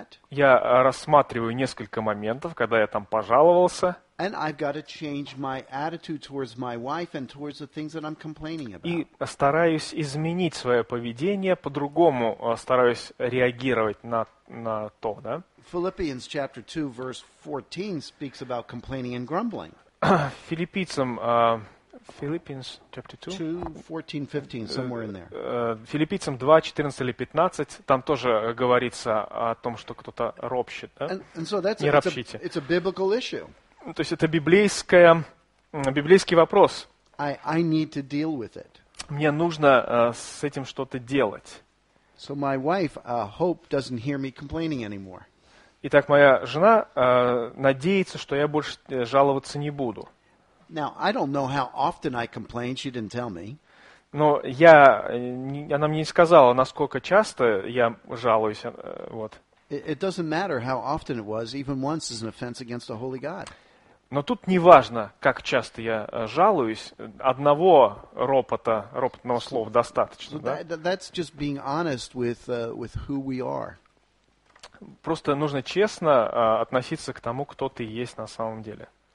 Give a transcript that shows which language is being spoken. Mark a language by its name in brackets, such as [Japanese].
[Russian] Я рассматриваю несколько моментов, когда я там пожаловался. И стараюсь изменить свое поведение, по-другому стараюсь реагировать на то, да? [English] Philippians chapter 2, verse 14 speaks about complaining and grumbling. Филиппийцам... Philippians chapter 2. 2:14-15, somewhere in there. [Russian] Филиппийцам 2:14-15, там тоже говорится о том, что кто-то ропщит, да? [English] And so [Russian] не ропщите. [English] It's a biblical issue. [Russian] То есть это библейский вопрос. [English] I need to deal with it. [Russian] Мне нужно с этим что-то делать. [English] So my wife, Hope, doesn't hear me complaining anymore. [Russian] Итак, моя жена надеется, что я больше жаловаться не буду. [English] Now, I don't know how often I complain, she didn't tell me. [Russian] Но я, она мне не сказала, насколько часто я жалуюсь, вот. [English] It doesn't matter how often it was, even once is an offense against the Holy God. [Russian] Но тут не важно, как часто я жалуюсь, одного ропотного слова достаточно, да? [English] That's just being honest with who we are. [Russian] Просто нужно честно относиться к тому, кто ты есть на самом деле.